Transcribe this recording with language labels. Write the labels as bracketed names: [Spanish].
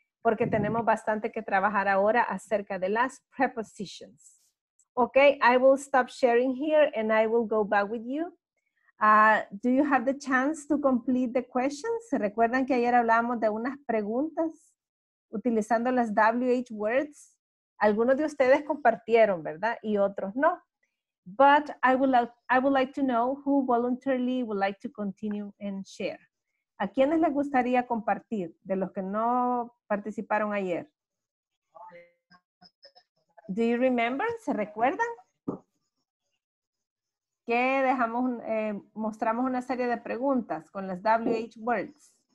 [Spanish] Porque tenemos bastante que trabajar ahora acerca de las prepositions. [English] Okay, I will stop sharing here and I will go back with you. Do you have the chance to complete the questions? [Spanish] ¿Se recuerdan que ayer hablábamos de unas preguntas utilizando las WH words? Algunos de ustedes compartieron, ¿verdad? Y otros no. [English] But I would like to know who voluntarily would like to continue and share. [Spanish] ¿A quiénes les gustaría compartir de los que no participaron ayer? [English] Do you remember? [Spanish] ¿Se recuerdan? Que dejamos, mostramos una serie de preguntas con las WH words.